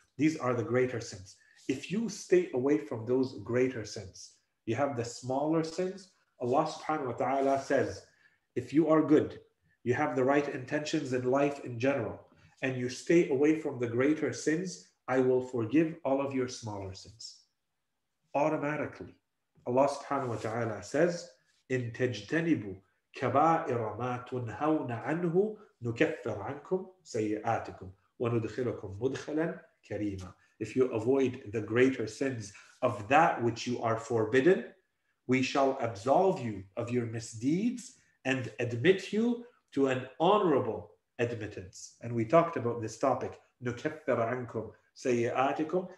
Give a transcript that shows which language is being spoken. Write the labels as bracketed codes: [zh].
[en] These are the greater sins. If you stay away from those greater sins, you have the smaller sins. Allah subhanahu wa ta'ala says, if you are good, you have the right intentions in life in general, and you stay away from the greater sins, I will forgive all of your smaller sins. Automatically, Allah subhanahu wa ta'ala says, [ar] إِن تَجْتَنِبُوا كَبَائِرَ مَا تُنْهَوْنَ عَنْهُ نُكَفَّرْ عَنْكُمْ سَيِّئَاتِكُمْ وَنُدْخِلُكُمْ مُدْخَلًا كَرِيمًا. [en] If you avoid the greater sins of that which you are forbidden, we shall absolve you of your misdeeds and admit you to an honorable admittance. And we talked about this topic, [ar] نُكَفَّرْ عَنْكُمْ سَيِّئَاتِكُمْ.